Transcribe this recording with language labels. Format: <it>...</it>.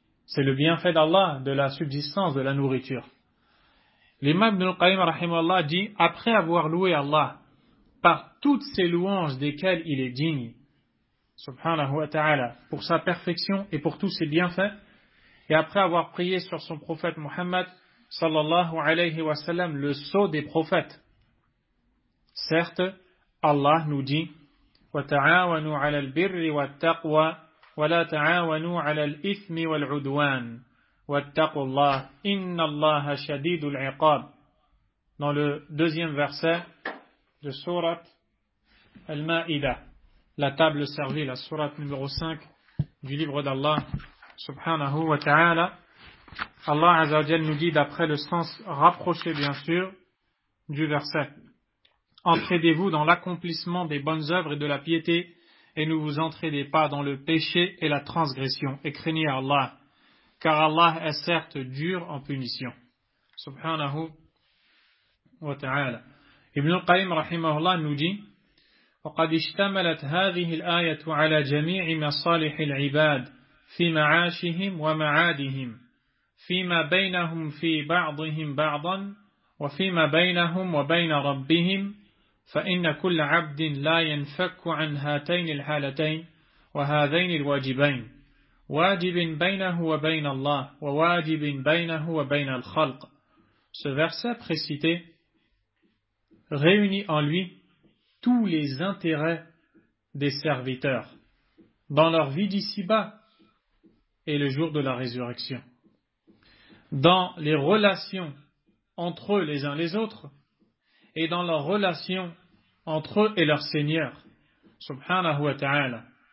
<fr>C'est le bienfait d'Allah, de la subsistance, de la nourriture. L'imam Ibn al-Qayyim rahimahullah dit après avoir loué Allah par toutes ses louanges desquelles il est digne, subhanahu wa ta'ala, pour sa perfection et pour tous ses bienfaits, et après avoir prié sur son prophète Muhammad, sallallahu alayhi wa sallam, le sceau des prophètes. Certes, Allah nous dit</fr> <ar>وَتَعَاوَنُوا عَلَى الْبِرِّ وَالتَّقْوَى وَلَا تَعَاوَنُوا عَلَى الْإِثْمِ وَالْعُدْوَانِ وَاتَّقُوا اللَّهِ إِنَّ اللَّهَ شَدِيدُ الْعِقَابِ.</ar> <fr>Dans le deuxième verset de Surat Al-Ma'idah, la table servie, la Surat numéro 5 du livre d'Allah, subhanahu wa ta'ala, Allah Azza wa Jal nous dit, d'après le sens rapproché bien sûr du verset, entraidez-vous dans l'accomplissement des bonnes œuvres et de la piété, et ne vous entraidez pas dans le péché et la transgression, et craignez Allah, car Allah est certes dur en punition.</fr> <ar>Subhanahu wa ta'ala.</ar> <fr>Ibn al-Qayyim rahimahullah nous dit</fr> <ar>وَقَدْ اشْتَمَلَتْ هَذِهِ الْآيَةُ عَلَى جَمِيعِ مَصَالِحِ الْعِبَادِ فِي مَعَاشِهِمْ وَمَعَادِهِمْ فِيمَا بَيْنَهُمْ فِي بَعْضِهِمْ بَعْضًا وَفِيمَا بَيْنَهُمْ وَبَيْنَ رَبِّهِمْ فَإِنَّ كُلَّ عَبْدٍ لَا يَنْفَكُ عَنْ هَاتَيْنِ الْحَالَتَيْنِ وَهَذَيْنِ الْوَاجِبَيْنِ وَاجِبٍ بَيْنَهُ وَبَيْنَ اللَّهِ وَوَاجِبٍ بَيْنَهُ وَبَيْنَ الْخَلْقِ.</ar> <fr>Ce verset précité réunit en lui tous les intérêts des serviteurs dans leur vie d'ici-bas et le jour de la résurrection, dans les relations entre eux les uns les autres, et dans leur relation entre eux et leur Seigneur, subhanahu wa ta'ala.</fr>